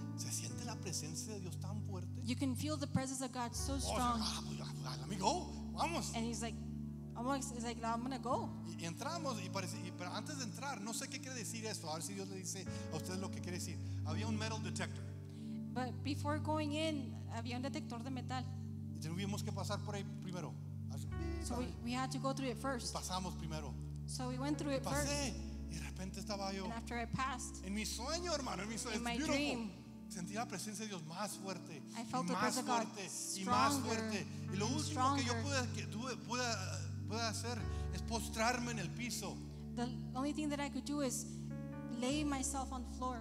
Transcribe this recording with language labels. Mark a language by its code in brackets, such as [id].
[es] Se siente la presencia de Dios tan fuerte. [en] You can feel the presence of God so strong. Let me go. Vamos. And he's like, I'm gonna go. [es] Y entramos y parece, pero antes de entrar, no sé qué quiere decir esto. A ver si Dios le dice a ustedes lo que quiere decir. Había un metal detector. [en] But before going in, [es] había un detector de metal. Tuvimos que pasar por ahí primero. [en] So we had to go through it first. [es] Pasamos primero. [en] So we went through it [es] pasé, [en] first. [es] Y de repente estaba yo. [en] And after I passed. [es] En mi sueño, hermano, en mi sueño. [en] In my dream. [es] Sentí la presencia de Dios más fuerte. [en] I felt [es] más [en] the presence [es] fuerte, [en] of God stronger, [es] y más fuerte. Y lo último stronger. Que yo pude hacer es postrarme en el piso. [en] The only thing that I could do is lay myself on the floor.